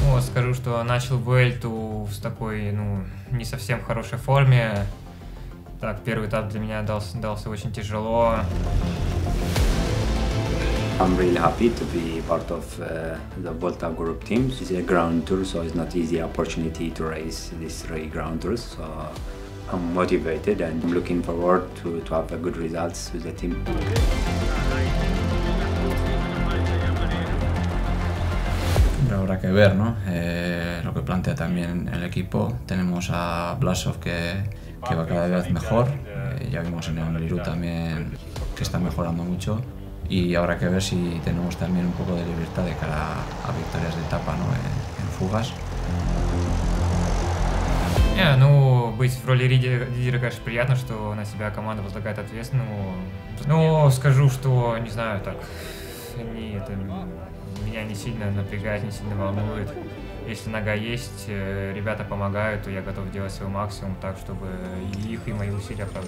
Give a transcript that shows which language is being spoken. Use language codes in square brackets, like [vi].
[ru] Скажу, что начал Вуэльту в такой, не совсем хорошей форме. Так, первый этап для меня дался очень тяжело. [en] I'm really happy to be part of the Vuelta group team. It's a ground tour, so it's not easy opportunity to race these three ground tours. So I'm motivated and I'm looking forward to have a good results with the team. [es] Habrá que ver, ¿no? Lo que plantea también el equipo. Tenemos a Blasov que va cada vez mejor. Ya vimos en el Meliru también que está mejorando mucho. Y habrá que ver si tenemos también un poco de libertad de cara a victorias de etapa, ¿no? En fugas. [ru] Ну, быть в роли лидера, конечно, приятно, что на себя команда возлагает ответственность. Ну, скажу, что, не знаю, так, не, это меня не сильно напрягает, не сильно волнует. Если нога есть, ребята помогают, то я готов делать свой максимум так, чтобы и их, и мои усилия